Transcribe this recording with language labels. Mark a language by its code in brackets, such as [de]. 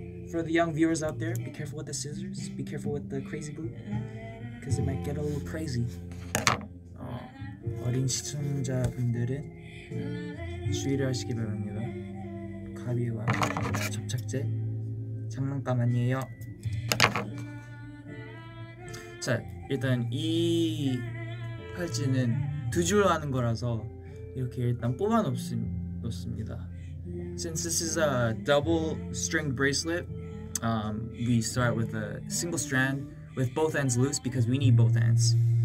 [en] for the young viewers out there, be careful with the scissors. Be careful with the crazy glue, because it might get a little crazy. [ko] 어린 시청자분들은 주의를 하시기 바랍니다. 가위와 접착제, 장난감 아니에요. 자, 일단 이 팔찌는 두 줄 하는 거라서 이렇게 일단 뽑아 놓습니다. [en] Since this is a double string bracelet, we start with a single strand with both ends loose because we need both ends.